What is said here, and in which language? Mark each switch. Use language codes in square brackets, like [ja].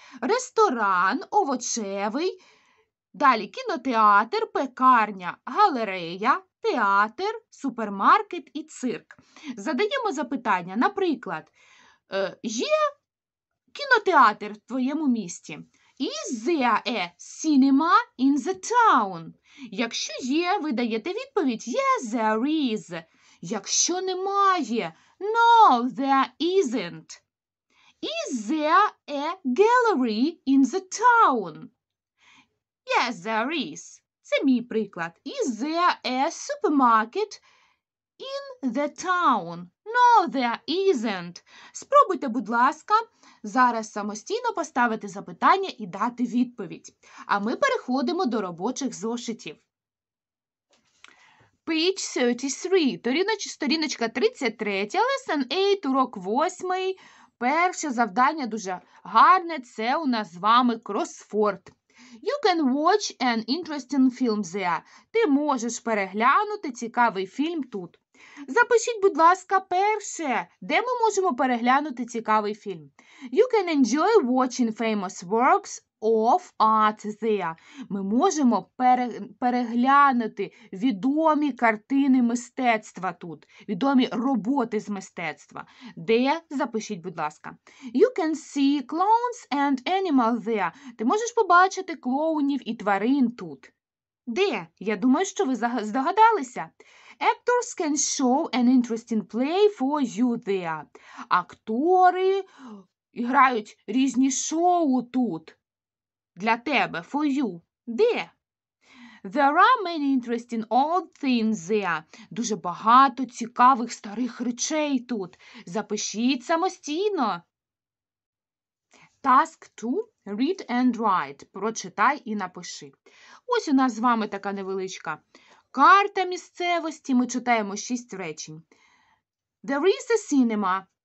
[uk] Ресторан, овочевий, далі кінотеатр, пекарня, галерея, театр, супермаркет і цирк. Задаємо запитання, наприклад, є кінотеатр в твоєму місті? [en] Is there a cinema in the town? [uk] Якщо є, ви даєте відповідь [en] Yes, there is. [uk] Якщо немає, [en] No, there isn't. Is there a gallery in the town? Yes, there is. [uk] Це мій приклад. [en] Is there a supermarket in the town? No, there isn't. [uk] Спробуйте, будь ласка, зараз самостійно поставити запитання і дати відповідь. А ми переходимо до робочих зошитів. [en] Page 33. [uk] Сторіночка 33. [en] Lesson 8, [uk] урок 8. Перше завдання дуже гарне. Це у нас з вами кросфорд. [en] You can watch an interesting film there. [uk] Ти можеш переглянути цікавий фільм тут. Запишіть, будь ласка, перше, де ми можемо переглянути цікавий фільм. [en] You can enjoy watching famous works of art there. [uk] Ми можемо переглянути відомі картини мистецтва тут, відомі роботи з мистецтва. Де? Запишіть, будь ласка. [en] You can see clowns and animals there. [uk] Ти можеш побачити клоунів і тварин тут. Де? Я думаю, що ви здогадалися. [en] Actors can show an interesting play for you there. [uk] Актори грають різні шоу тут для тебе, [en] for you. [uk] Де? [en] There are many interesting old things there. [uk] Дуже багато цікавих старих речей тут. Запишіть самостійно. [en] Task 2. Read and write. [uk] Прочитай і напиши. Ось у нас з вами така невеличка карта місцевості. Ми читаємо 6 речень. [en] There is a cinema.